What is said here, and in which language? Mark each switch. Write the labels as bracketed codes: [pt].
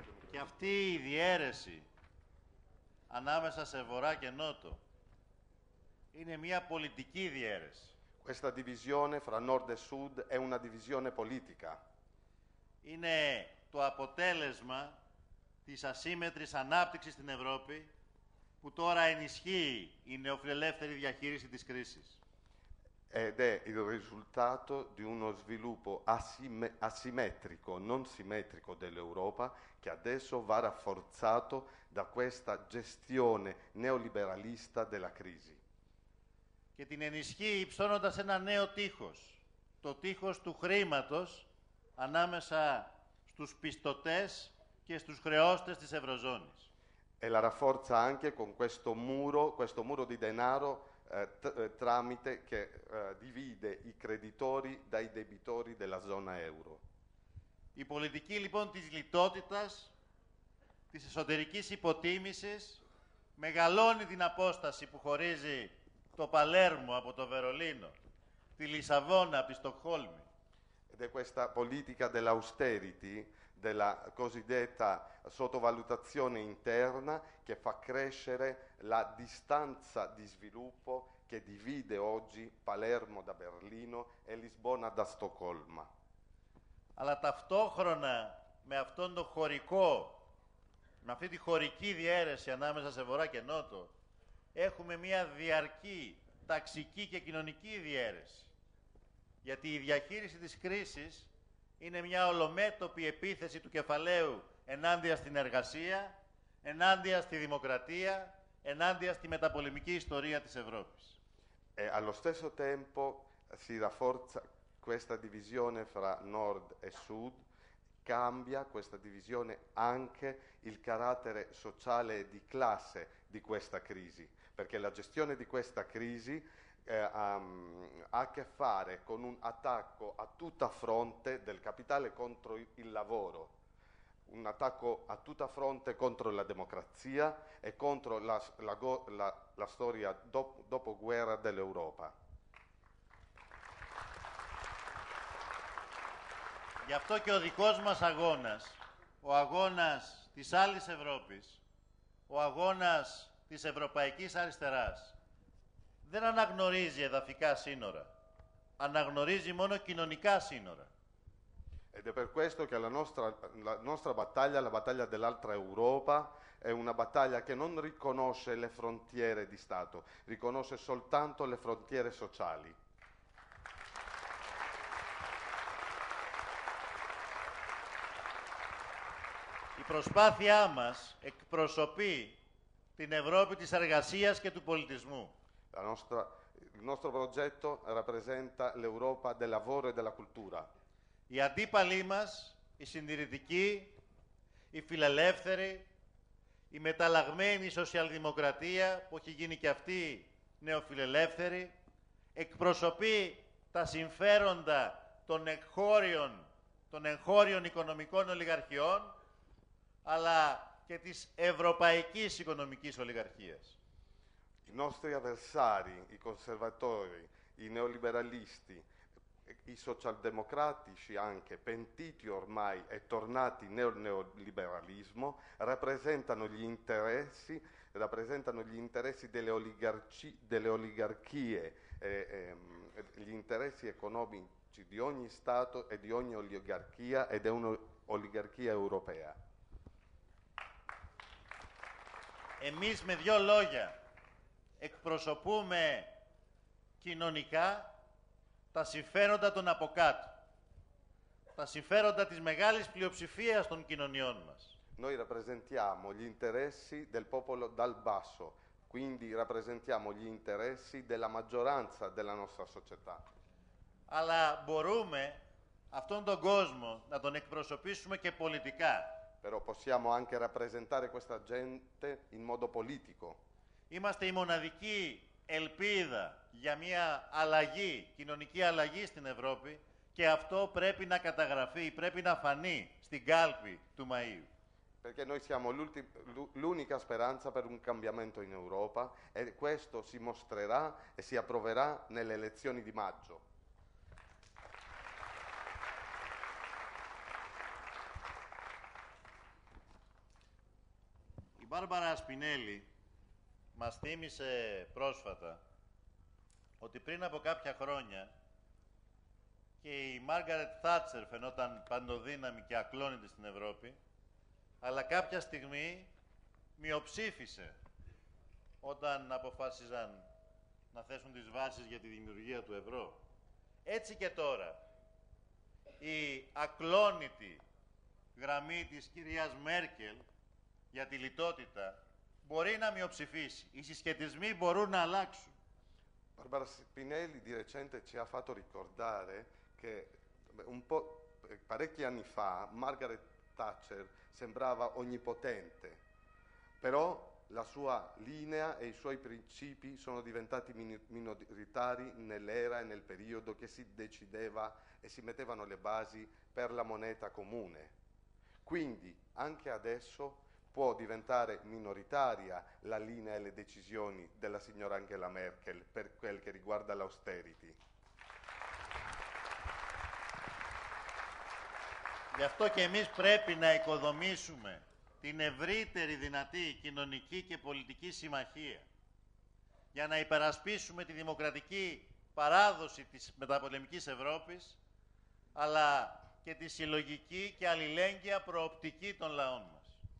[it] Che [el] αυτή η διαίρεση ανάμεσα σε Βορρά και Νότο είναι μια πολιτική διαίρεση. [it] Questa divisione fra nord e sud è una divisione politica. [el] Είναι το αποτέλεσμα της ασύμμετρης ανάπτυξης στην Ευρώπη που τώρα ενισχύει η νεοφιλελεύθερη διαχείριση της κρίσης. [it] Ed è il risultato di uno sviluppo asimmetrico, non simmetrico dell'Europa, che adesso va rafforzato da questa gestione neoliberalista della crisi. [el] Και την ενισχύει υψώνοντας ένα νέο τείχος, το τείχος του χρήματος ανάμεσα στους πιστωτές και στους χρεώστες της Ευρωζώνης. [it] E la rafforza anche con questo muro di denaro tramite che divide i creditori dai debitori della zona euro. [el] Η πολιτική λοιπόν της λιτότητας, της εσωτερικής υποτίμησης, μεγαλώνει την απόσταση που χωρίζει το Παλέρμο από το Βερολίνο, τη Λισαβόνα από τη Στοκχόλμη. [it] Ed è questa politica dell'austerity, della cosiddetta sottovalutazione interna, che fa crescere la distanza di sviluppo che divide oggi Palermo da Berlino e Lisbona da Stoccolma. [el] Αλλά ταυτόχρονα με αυτόν τον χωρικό, με αυτή τη χωρική διαίρεση ανάμεσα σε Βορρά και Νότο, έχουμε μια διαρκή ταξική και κοινωνική διαίρεση. Γιατί η διαχείριση της κρίσης είναι μια ολομέτωπη επίθεση του κεφαλαίου ενάντια στην εργασία, ενάντια στη δημοκρατία, ενάντια στη μεταπολεμική ιστορία της Ευρώπης. [it] Allo stesso tempo si rafforza questa divisione fra nord e sud, cambia questa divisione anche il carattere sociale di classe di questa crisi, perché la gestione di questa crisi ha a che fare con un attacco a tutta fronte del capitale contro il lavoro, un attacco a tutta fronte contro la democrazia e contro la storia dopo guerra dell'Europa. [el] Γι' αυτό και ο δικός μας αγώνας, ο αγώνας της άλλης Ευρώπης, ο αγώνας της Ευρωπαϊκής Αριστεράς, δεν αναγνωρίζει εδαφικά σύνορα, αναγνωρίζει μόνο κοινωνικά σύνορα. [it] Ed è per questo che la nostra battaglia, la battaglia dell'altra Europa, è una battaglia che non riconosce le frontiere di Stato, riconosce soltanto le frontiere sociali. [el] Η προσπάθειά μας εκπροσωπεί την Ευρώπη της εργασίας και του πολιτισμού. [it] Il nostro progetto rappresenta l'Europa del lavoro e della cultura. [el] Οι αντίπαλοι μας, οι συντηρητικοί, οι φιλελεύθεροι, η μεταλλαγμένη σοσιαλδημοκρατία που έχει γίνει και αυτή νεοφιλελεύθερη, εκπροσωπεί τα συμφέροντα των εγχώριων οικονομικών ολιγαρχιών, αλλά και της ευρωπαϊκής οικονομικής ολιγαρχίας. Οι [it] nostri avversari, [el] οι [it] conservatori, οι νεοliberalisti, i socialdemocratici anche, pentiti ormai e tornati nel neoliberalismo, rappresentano gli interessi delle oligarchie, gli interessi economici di ogni Stato e di ogni oligarchia, ed è un'oligarchia europea. [el] Εμείς με δύο λόγια εκπροσωπούμε κοινωνικά τα συμφέροντα των από κάτω, τα συμφέροντα της μεγάλης πλειοψηφίας των κοινωνιών μας. [it] Noi rappresentiamo gli interessi del popolo dal basso, quindi rappresentiamo gli interessi della maggioranza della nostra società. [el] Αλλά μπορούμε αυτόν τον κόσμο να τον εκπροσωπήσουμε και πολιτικά. [it] Però possiamo anche rappresentare questa gente in modo politico. [el] Είμαστε η μοναδική ελπίδα για μια αλλαγή, κοινωνική αλλαγή στην Ευρώπη και αυτό πρέπει να καταγραφεί, πρέπει να φανεί στην κάλπη του Μαΐου. [it] Perché noi siamo l'unica speranza per un cambiamento in Europa e questo si mostrerà e si approverà nelle elezioni di maggio. [el] Η Μπάρμπαρα Σπινέλη μας θύμισε πρόσφατα ότι πριν από κάποια χρόνια και η Μάργαρετ Θάτσερ φαινόταν παντοδύναμη και ακλόνητη στην Ευρώπη, αλλά κάποια στιγμή μειοψήφισε όταν αποφάσιζαν να θέσουν τις βάσεις για τη δημιουργία του ευρώ. Έτσι και τώρα, η ακλόνητη γραμμή της κυρίας Μέρκελ για τη λιτότητα μπορεί να μειοψηφίσει. Οι συσχετισμοί μπορούν να αλλάξουν. [it] Barbara Spinelli di recente ci ha fatto ricordare che un po' parecchi anni fa Margaret Thatcher sembrava onnipotente, però la sua linea e i suoi principi sono diventati minoritari nell'era e nel periodo che si decideva e si mettevano le basi per la moneta comune. Quindi anche adesso può diventare minoritaria la linea e le decisioni della signora Angela Merkel per quel che riguarda l'austerity. [el] Γι' αυτό και εμείς πρέπει να οικοδομήσουμε την ευρύτερη δυνατή κοινωνική και πολιτική συμμαχία για να υπερασπίσουμε τη δημοκρατική παράδοση της μεταπολεμικής Ευρώπης, αλλά και τη συλλογική και αλληλέγγυα προοπτική των λαών μας.